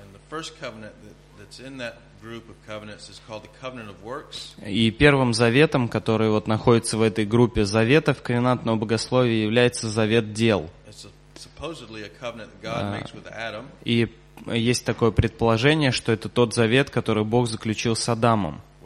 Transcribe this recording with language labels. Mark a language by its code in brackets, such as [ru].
[en] first covenant that's in that group of covenants is called the covenant of works. [ru] И первым заветом, который вот находится в этой группе заветов ковенантного богословия, является завет дел. [en] It's supposedly a covenant that God makes with Adam. [ru] И есть такое предположение, что это тот завет, который Бог заключил с Адамом.